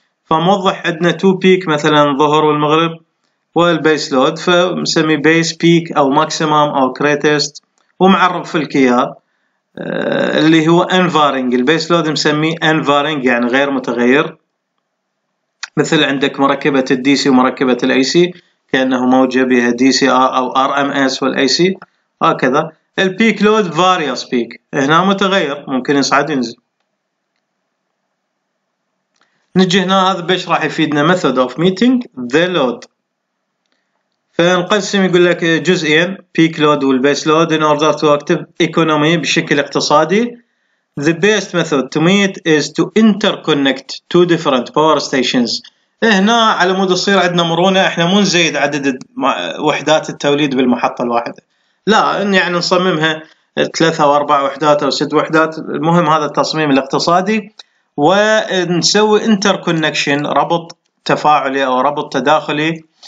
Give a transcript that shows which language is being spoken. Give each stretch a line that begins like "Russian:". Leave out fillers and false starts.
Arabic: فموضح عندنا تو بيك مثلا ظهر والمغرب والبيس لود، فمسمي بيس بيك أو ماكسيمم أو كريتست، ومعرف في الكيا اللي هو انفارينج، البيس لود مسميه انفارينج يعني غير متغير، مثل عندك مركبة الدي سي ومركبة الاي سي كأنه موجة بها دي سي أو ار ام اس والاي سي هكذا، البيك لود فاريوس بيك هنا متغير ممكن يصعد ينزل. نجي هنا هذا بيش راح يفيدنا
English: method of meeting the load،
Arabic: فنقسم يقول لك جزئين
English: peak load والbase load in order to active economy
Arabic: بشكل اقتصادي،
English: the best method to meet is to interconnect two different power stations.
Arabic: هنا على مود يصير عندنا مرونة، احنا مو نزيد عدد وحدات التوليد بالمحطة الواحدة، لا يعني نصممها ثلاثة او اربع وحدات او ست وحدات، المهم هذا التصميم الاقتصادي، ونسوي interconnection ربط تفاعلي او ربط تداخلي